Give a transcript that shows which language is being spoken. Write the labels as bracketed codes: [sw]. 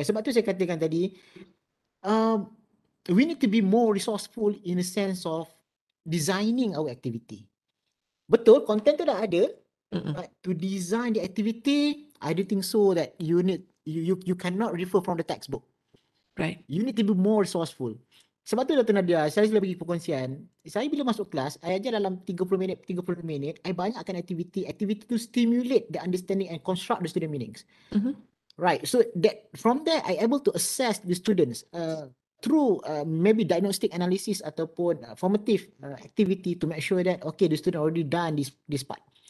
[ms] Sebab tu saya katakan tadi, [en] we need to be more resourceful in a sense of designing our activity. [ms] Betul, content tu dah ada. Mm-mm. [en] But to design the activity, I do think so that you cannot refer from the textbook. Right. You need to be more resourceful. [ms] Sebab tu Dr. Nadia, saya sudah bagi perkongsian. Saya bila masuk kelas, saya ajar dalam 30 minit, 30 minit, saya banyakkan aktiviti. Aktiviti tu [en] stimulate the understanding and construct the student meanings. Right, so that from there, I able to assess the students through maybe diagnostic analysis ataupun formative activity to make sure that, okay, the student already done this part.